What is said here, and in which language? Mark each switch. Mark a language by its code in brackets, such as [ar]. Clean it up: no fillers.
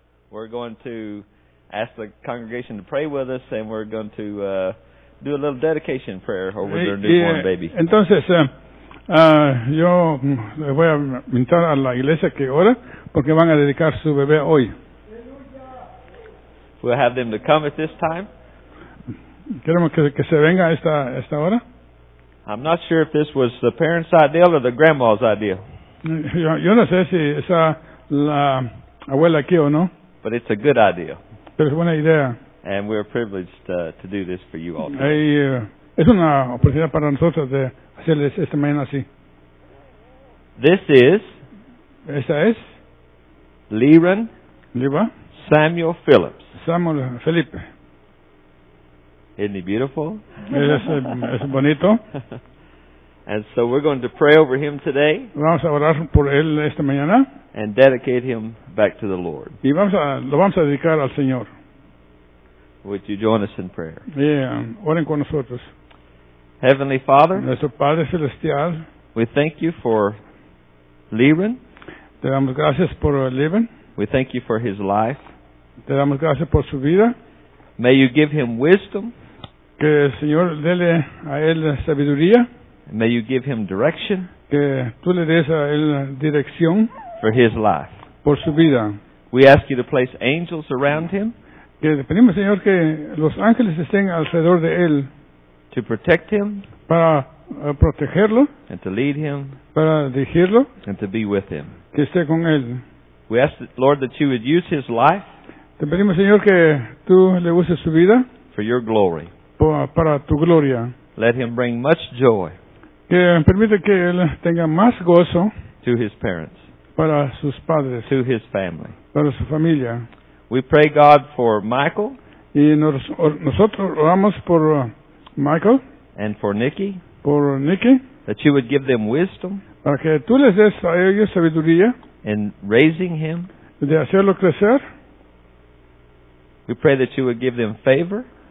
[en] We're going to ask the congregation to pray with us, and we're going to do a little dedication prayer over their newborn baby. [es] Entonces, yo le voy a invitar a la iglesia que ore, porque van a dedicar su bebé hoy. [en] We'll have them to come at this time. [es] Queremos que se venga esta hora. [en] I'm not sure if this was the parents' idea or the grandma's idea. [es] Yo no sé si es la abuela aquí o no. [en] But it's a good idea. [es] Pero es buena idea. [en] And we're privileged to do this for you all. [es] Es una oportunidad para nosotros de hacerles esta mañana así. [en] This is. [es] Esta es. Liran. Liba. [en] Samuel Phillips. [es] Samuel Felipe. [en] Isn't he beautiful? [es] Es bonito. [en] And so we're going to pray over him today. [es] Vamos a orar por él esta mañana. [en] And dedicate him back to the Lord. [es] Y lo vamos a dedicar al Señor. [en] Would you join us in prayer? [es] Yeah, oren con nosotros. [en] Heavenly Father, [es] nuestro Padre Celestial, [en] we thank you for Liran. [es] Te damos gracias por Liran. [en] We thank you for his life. [es] Te damos gracias por su vida. [en] May you give him wisdom. [es] Que el Señor dele a él sabiduría. [en] May you give him direction. [es] Que tú le des a él dirección. [en] For his life. [es] Por su vida. [en] We ask you to place angels around him. [es] Que pedimos, Señor, que los ángeles estén alrededor de él. [en] To protect him. [es] Para protegerlo. [en] And to lead him. [es] Para dirigirlo. [en] And to be with him. [es] Que esté con él. [en] We ask, Lord, that you would use his life. [es] Te pedimos, Señor, que tú le uses su vida. [en] For your glory. [es] Para tu gloria. [en] Let him bring much joy. [es] Que permite que él tenga más gozo. [en] To his parents. [es] Para sus padres. [en] To his family. [es] Para su familia. [en] We pray, God, for Michael. [es] Y nosotros oramos por Michael. [en] And for Nikki. [es] Por Nikki. [en] That you would give them wisdom. [es] Para que tú les des a ellos sabiduría. [en] In raising him. [es] De hacerlo crecer. [en] We pray that you would give them favor.